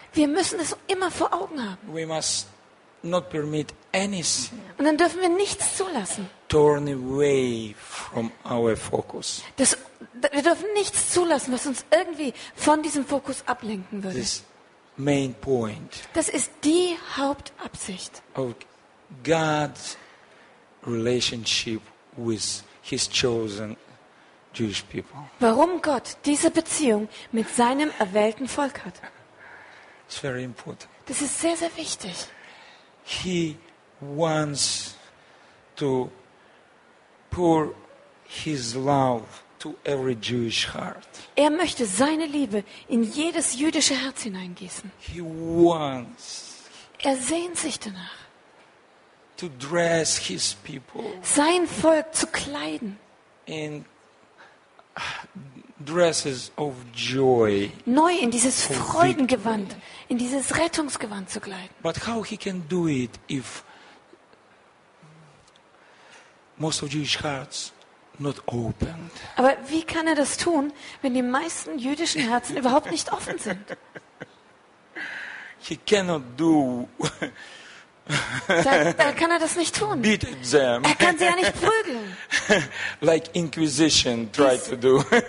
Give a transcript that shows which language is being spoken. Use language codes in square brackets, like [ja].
[de] Wir müssen es immer vor Augen haben. [en] We must not permit anything. [de] Und dann dürfen wir nichts zulassen. [en] Turn away from our focus. [de] Wir dürfen nichts zulassen, was uns irgendwie von diesem Fokus ablenken würde. [en] This main point. [de] Das ist die Hauptabsicht. [en] Of God's relationship with His chosen Jewish people. [de] Warum Gott diese Beziehung mit seinem erwählten Volk hat. [en] It's very important. [de] Das ist sehr, sehr wichtig. [en] He wants to pour his love to every Jewish heart. [de] Er möchte seine Liebe in jedes jüdische Herz hineingießen. [en] He wants. [de] Er sehnt sich danach. [en] To dress his people. [de] Sein Volk zu kleiden. [en] In dresses of joy. [de] Neu in dieses Freudengewand, in dieses Rettungsgewand zu kleiden. [en] But how he can do it if most of Jewish hearts not opened? [de] Aber wie kann er das tun, wenn die meisten jüdischen Herzen überhaupt nicht offen sind? [en] He cannot do. [de] Da kann er das nicht tun. [en] Beat them. [de] Er kann sie ja nicht prügeln. [en] Like Inquisition tried to do.